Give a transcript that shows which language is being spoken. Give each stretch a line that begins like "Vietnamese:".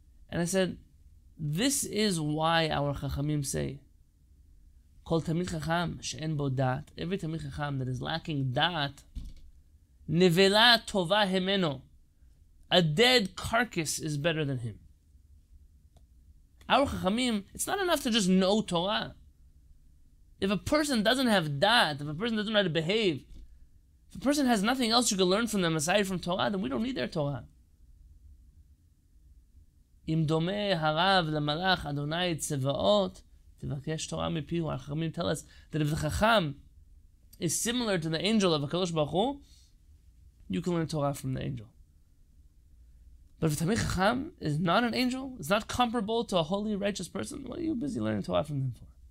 English: And I said, this is why our Chachamim say,
Hebrew: Kol Talmid Chacham she'en bo da'at,
English: every Talmid Chacham that is lacking da'at,
Hebrew: nevela tova himeno,
English: a dead carcass is better than him. Our Chachamim, it's not enough to just know Torah. If a person doesn't have da'at, if a person doesn't know how to behave, if a person has nothing else you can learn from them aside from Torah, then we don't need their Torah.
Hebrew: אם דומה הרב למלאך אדוני צבאות, תבקש תורה מפיהו.
English: Our Chachamim tell us that if the Chacham is similar to the angel of HaKadosh Baruch Hu, you can learn Torah from the angel. But if Talmid Chacham is not an angel, is not comparable to a holy, righteous person, what are you busy learning Torah from them for?